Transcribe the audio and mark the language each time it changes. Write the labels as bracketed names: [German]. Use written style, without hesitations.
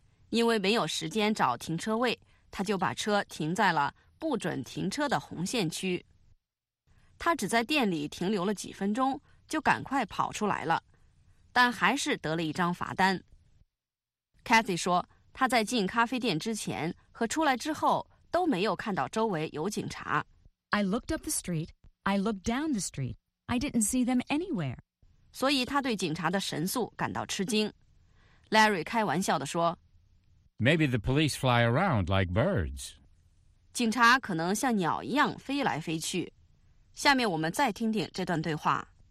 [Chinese] 因为没有时间找停车位，她就把车停在了不准停车的红线区。他只在店里停留了几分钟，就赶快跑出来了，但还是得了一张罚单。 Cathy 说，他在进咖啡店之前和出来之后都没有看到周围有警察。 [English] I looked up the street, I looked down the street, I didn't see them anywhere. [Chinese] 所以他对警察的神速感到吃惊。 Larry 开玩笑地说 [English] ，Maybe the police fly around like birds. [Chinese] 警察可能像鸟一样飞来飞去。下面我们再听听这段对话。